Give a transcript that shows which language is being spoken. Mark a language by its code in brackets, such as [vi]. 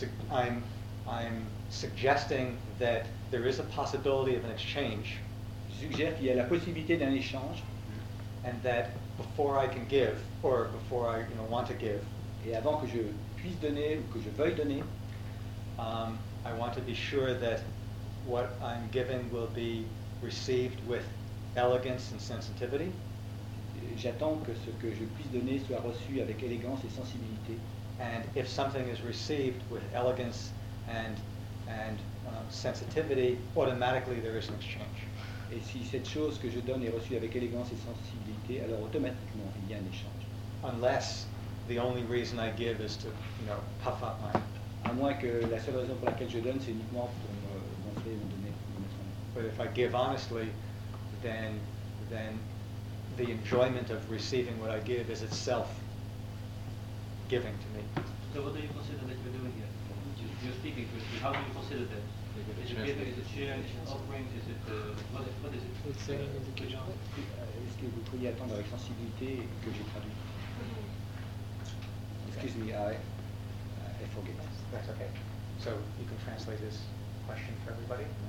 [en] I'm suggesting that there is a possibility of an exchange. [fr] Je suggère qu'il y a la possibilité d'un échange. [en] And that before I can give, or before I want to give. [fr] Et avant que je puisse donner ou que je veuille donner, [en] I want to be sure that what I'm giving will be received with elegance and sensitivity. [fr] J'attends que ce que je puisse donner soit reçu avec élégance et sensibilité. [en] And if something is received with elegance and sensitivity, automatically there is an exchange. [fr] Et si cette chose que je donne est reçue avec élégance et sensibilité, alors automatiquement il y a un échange. [en] Unless the only reason I give is to, puff up my. [fr] À moins que la seule raison pour laquelle je donne, c'est uniquement pour me montrer mon. [en] But if I give honestly, then the enjoyment of receiving what I give is itself giving to me. So what do you consider that you're doing here? You're speaking first. How do you consider that? Is it giving? Is it sharing? Is it offering? Is it what is it? It's saying in the kitchen. [fr] Est-ce que vous pourriez attendre avec sensibilité que j'ai traduit? [en] Excuse me, I forget. That's okay. So you can translate this question for everybody.